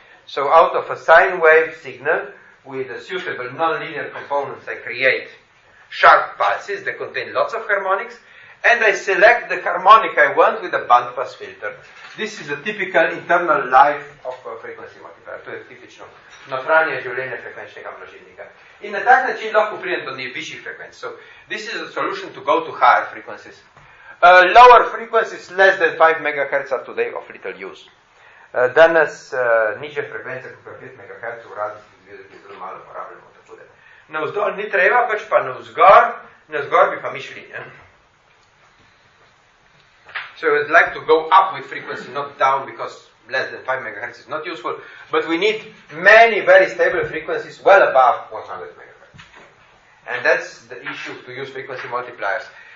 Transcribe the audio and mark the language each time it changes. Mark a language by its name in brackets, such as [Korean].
[English] So out of a sine wave signal with a suitable non-linear components I create sharp pulses that contain lots of harmonics and I select the harmonic I want with a bandpass filter. This is a typical internal life of a frequency multiplier. [Slovenian] To je tipično notranje življenje frekvenčnega množilnika. In na tak način lahko pridem do najvišjih frekvenc. [English] So, this is a solution to go to higher frequencies. Lower frequencies, less than 5 MHz are today of little use. [Slovenian] Danes nižje frekvence, kot je 5 MHz, v radijskih zvezdah zelo malo uporabljamo, tako da. Na vzdolj ni treba, pač pa na vzgor bi pa mi šli. Ne? [English] So, I would like to go up with frequency, not down, because less than 5 MHz is not useful, but we need many very stable frequencies well above 100 MHz. And that's the issue to use frequency multipliers.